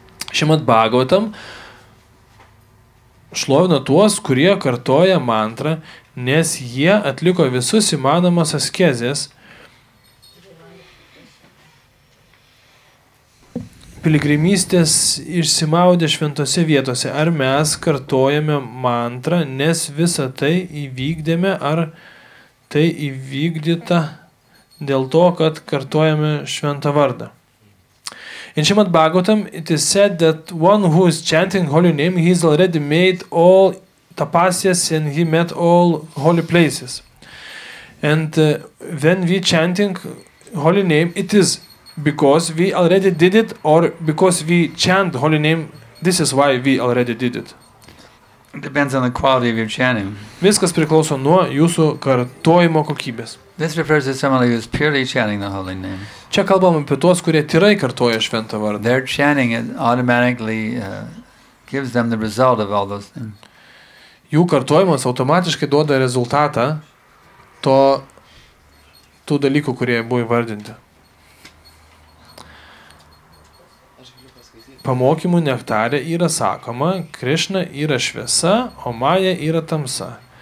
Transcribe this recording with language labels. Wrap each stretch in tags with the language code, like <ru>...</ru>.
<lt>Šimat Bhagavatam šlovina tuos, kurie kartoja mantrą, nes jie atliko visus įmanomas askezės piligrimystės išsimaudė šventose vietose. Ar mes kartojame mantrą, nes visą tai įvykdėme, ar tai įvykdyta dėl to, kad kartojame šventą vardą?</lt> <en>In Shrimad Bhagavatam, it is said that one who is chanting holy name, he has already made all tapasyas and he met all holy places. And when we chanting holy name, it is because we already did it or because we chant holy name, this is why we already did it. It depends on the quality of your chanting.</en> <lt>Viskas priklauso nuo jūsų kartojimo kokybės.</lt> <en>This refers to someone who is purely chanting the holy name.</en> <lt>Čia kalbam apie tuos, kurie tirai kartoja šventą vardą.</lt> <en>Their chanting automatically gives them the result of all those things.</en> <lt>Jų kartojimas automatiškai duoda rezultatą tų dalykų, kurie buvo įvardinti. Pamokymų nektarė yra sakoma, Krišna yra šviesa, o Maja yra tamsa.</lt>